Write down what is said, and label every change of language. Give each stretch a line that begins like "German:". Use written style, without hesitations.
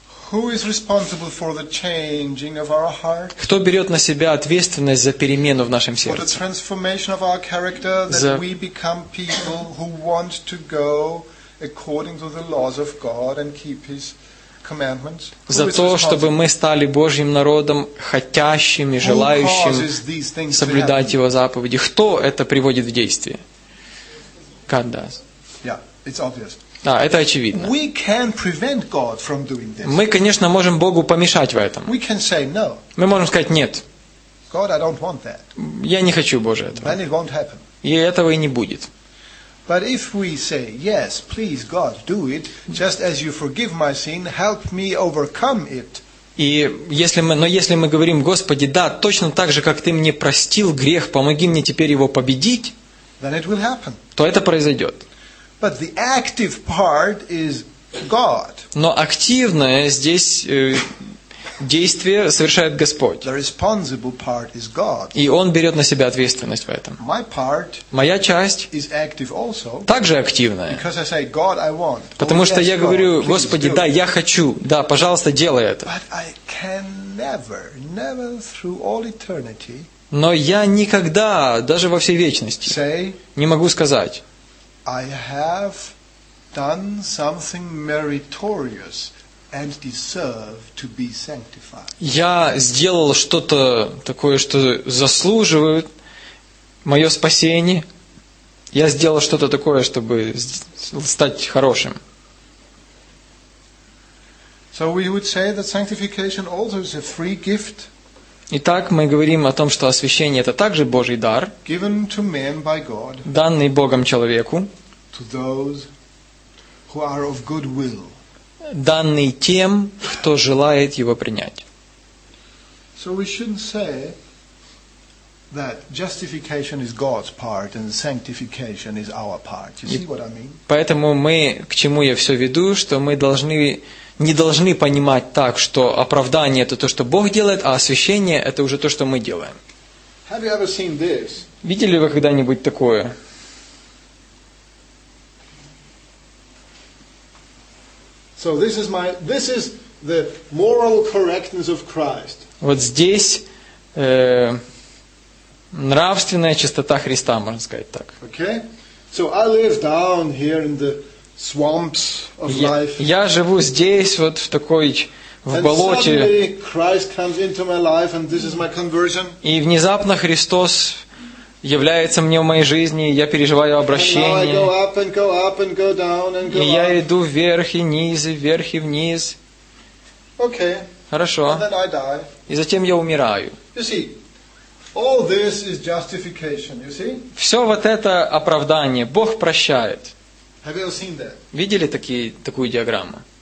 English: Who is responsible for the changing of our heart?
Russian: Кто берет на себя ответственность за перемену в нашем сердце?
English: For the transformation of our character, that we become people who want to go according to the laws of God and keep His commandments.
Russian: За то, чтобы мы стали Божьим народом, хотящим и желающим соблюдать Его заповеди. Кто это приводит в действие?
English: God does. It's obvious.
Russian: Да, это очевидно.
English: We can prevent God from doing this.
Russian: Мы, конечно, можем Богу помешать в этом.
English: We can say no.
Russian: Мы можем сказать нет.
English: God, I don't want that.
Russian: Я не хочу, Боже, этого.
English: Then it won't happen.
Russian: И этого и не будет.
English: But if we say yes, please, God, do it, just as you forgive my sin, help me overcome it.
Russian: И если мы, но если мы говорим, Господи, да, точно так же, как Ты мне простил грех, помоги мне теперь его победить,
English: then it will happen.
Russian: То это произойдет.
English: But the active part is God.
Russian: Но активное здесь действие совершает Господь.
English: The responsible part is God.
Russian: И Он берет на себя ответственность в этом.
English: My part
Russian: Моя часть
English: is active also,
Russian: также активная.
English: Because I say, God, I want.
Russian: Потому что
English: yes,
Russian: я говорю,
English: God,
Russian: Господи, да, я хочу, да, пожалуйста, делай это.
English: But I can never, never through all eternity,
Russian: Но я никогда, даже во всей вечности,
English: say,
Russian: не могу сказать,
English: I have done something meritorious. And deserve to be sanctified.
Russian: Я сделал что-то такое, что заслуживает мое спасение. Я сделал что-то такое, чтобы стать хорошим.
English: So we would say that sanctification also is a free gift.
Russian: Итак, мы говорим о том, что освящение это также Божий дар,
English: given to man by God,
Russian: данный Богом человеку,
English: to those who are of good will.
Russian: Данный тем, кто желает его принять.
English: So we shouldn't say that justification is God's part and sanctification is our part. You see what I mean?
Russian: Поэтому мы, к чему я все веду, что мы должны, не должны понимать так, что оправдание это то, что Бог делает, а освящение это уже то, что мы делаем.
English: Have you ever seen this?
Russian: Видели вы когда-нибудь такое?
English: So this is my this is the moral correctness of Christ.
Russian: Вот здесь нравственная чистота Христа, можно сказать так.
English: Okay. So I live down here in the swamps of life.
Russian: Я живу здесь вот в такой в болоте.
English: And suddenly Christ comes into my life and this is my conversion.
Russian: И внезапно Христос является мне в моей жизни, я переживаю обращение. И я иду вверх и вниз, и вверх и вниз.
English: Okay.
Russian: Хорошо.
English: And then I die.
Russian: И затем я умираю.
English: You see, all this is justification, you see?
Russian: Все вот это оправдание. Бог прощает.
English: Have you seen that?
Russian: Видели такую диаграмму?